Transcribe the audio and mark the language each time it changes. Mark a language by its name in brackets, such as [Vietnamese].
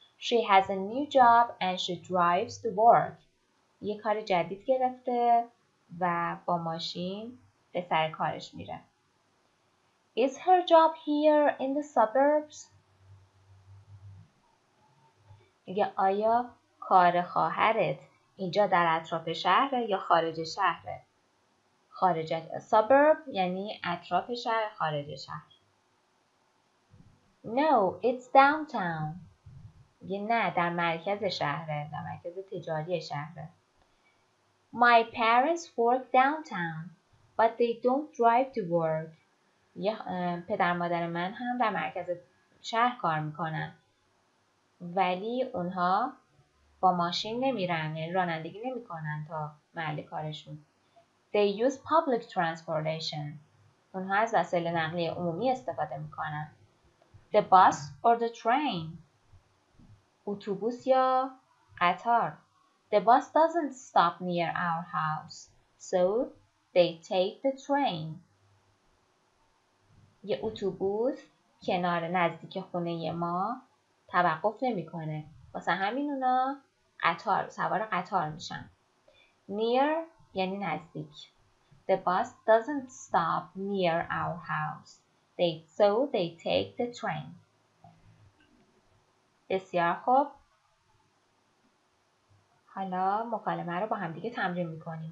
[English] She has a new job and she drives to work. [Persian] یه کار جدید گرفته و با ماشین به سر کارش میره. [English] Is her job here in the suburbs? [Persian] میگه آیا کار خواهرت اینجا در اطراف شهره یا خارج شهره؟ خارج suburb یعنی اطراف شهر, خارج شهر. [English] No, it's downtown. [Persian] میگه نه, در مرکز شهره, در مرکز تجاری شهره. [English] My parents work downtown, but they don't drive to work. [Persian] پدر مادر من هم در مرکز شهر کار میکنن. ولی اونها با ماشین نمیرن, یعنی رانندگی نمیکنن تا محل کارشون. [English] They use public transportation. [Persian] اونها از وسایل نقلیه عمومی استفاده میکنن. [English] The bus or the train. [Persian] اتوبوس یا قطار. [English] The bus doesn't stop near our house, so they take the train. [Persian] یه اتوبوس کنار نزدیک خونه ما توقف نمی‌کنه. واسه همین اونا قطار, سوار قطار میشن. Near یعنی نزدیک. [English] The bus doesn't stop near our house, so they take the train. [Persian] بسیار خوب. حالا مکالمه رو با هم دیگه تمرین میکنیم.